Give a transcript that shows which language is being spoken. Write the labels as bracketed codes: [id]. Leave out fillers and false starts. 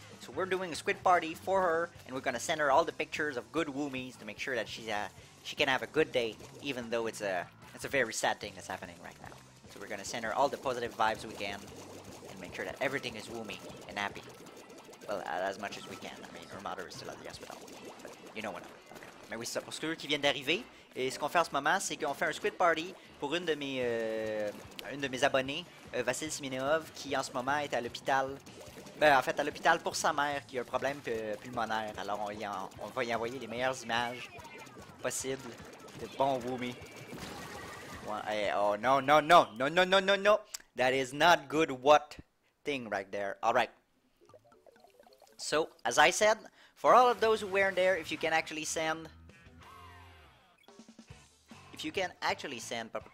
[en] So we're doing a squid party for her, and we're gonna send her all the pictures of good woomies to make sure that she can have a good day, even though it's a very sad thing that's happening right now. So we're gonna send her all the positive vibes we can, and make sure that everything is woomy and happy. Well, as much as we can. I mean, her mother is still at the hospital, but you know what I mean. [fr] Mais oui, c'est ça, parce que eux qui viennent d'arriver, et ce qu'on fait en ce moment, c'est qu'on fait un squid party pour une de mes abonnées, Vasil Simineov, qui en ce moment est à l'hôpital, ben en fait à l'hôpital pour sa mère qui a un problème pulmonaire, alors on va y envoyer les meilleures images possibles de bons woomy. Hey, oh non, non, non, non, non, non, non, non, [en] that is not good what thing right there, alright. So, as I said, for all of those who weren't there, if you can actually send... If you can actually send...